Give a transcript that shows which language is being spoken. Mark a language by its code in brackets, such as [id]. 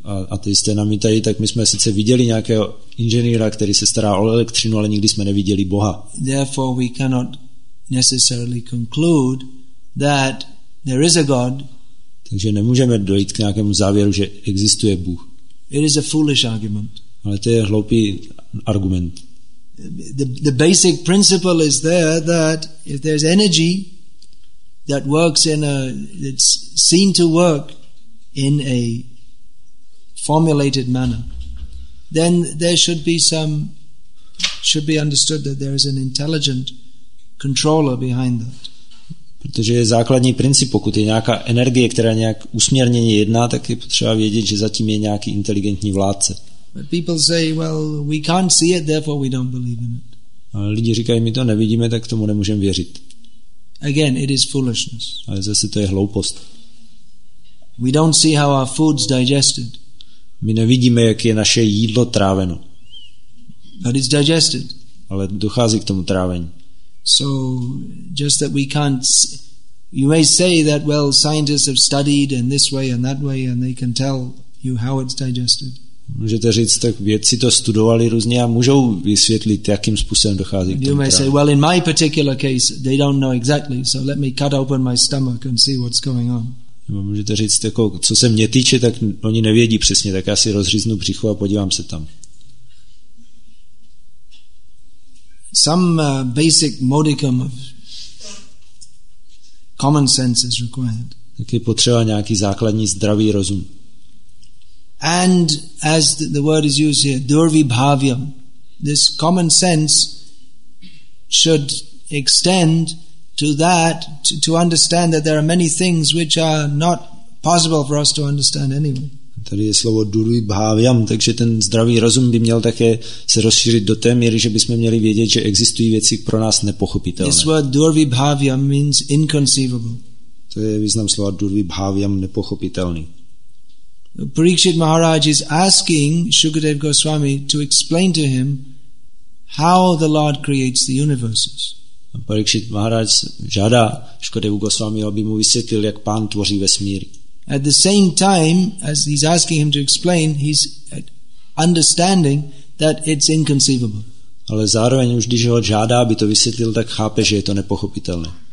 [cs] A ty jste namítají, tak my jsme sice viděli nějakého inženýra, který se stará o elektřinu, ale nikdy jsme neviděli Boha. [en] Therefore we cannot necessarily conclude that there is a God. [cs] Takže nemůžeme dojít k nějakému závěru, že existuje Bůh. [en] It is a foolish argument. [cs] Ale to je hloupý argument. [en] The basic principle is there that if there's energy that works in a it's seen to work in a formulated manner, then there should be understood that there is an intelligent controller behind that. [cs] Protože je základní princip, pokud je nějaká energie, která nějak usměrněně jedná, tak je potřeba vědět, že zatím je nějaký inteligentní vládce. [en] But people say, well, we can't see it, therefore we don't believe in it. [cs] A lidi říkají, my to nevidíme, tak tomu nemůžeme věřit. [en] Again, it is foolishness. [cs] Ale zase to je hloupost. [en] We don't see how our food's digested. [cs] My nevidíme, jak je naše jídlo tráveno. [en] But it's digested. [cs] Ale dochází k tomu trávení. [en] So just that we can't you may say that well scientists have studied in this way and that way and they can tell you how it's digested. [cs] Můžete říct, tak vědci to studovali různě a můžou vysvětlit, jakým způsobem dochází k tomu. [en] You may say, well, in my particular case, they don't know exactly, so let me cut open my stomach and see what's going on. [cs] Můžete říct, jako, co se mě týče, tak oni nevědí přesně, tak já si rozříznu břicho a podívám se tam. [en] some basic modicum of common sense is required. [cs] Tak je potřeba nějaký základní zdravý rozum. [en] And as the word is used here, durvibhavyam, this common sense should extend to that, to understand that there are many things which are not possible for us to understand anyway. [cs] Tady je slovo durvibhavyam, takže ten zdravý rozum by měl také se rozšířit do té míry, že bychom měli vědět, že existují věci pro nás nepochopitelné. [en] This word durvibhavyam means inconceivable. [cs] To je význam slova durvibhavyam, nepochopitelný. [en] Parikshit Maharaj is asking Shukadev Goswami to explain to him how the Lord creates the universes. [cs] Parikshit Maharaj žádá Shukadevu Goswami, aby mu vysvětlil, jak Pán tvoří vesmír. [en] At the same time, as he's asking him to explain, he's understanding that it's inconceivable. [cs] Ale zároveň už když ho žádá, aby to vysvětlil, tak chápe, že je to nepochopitelné.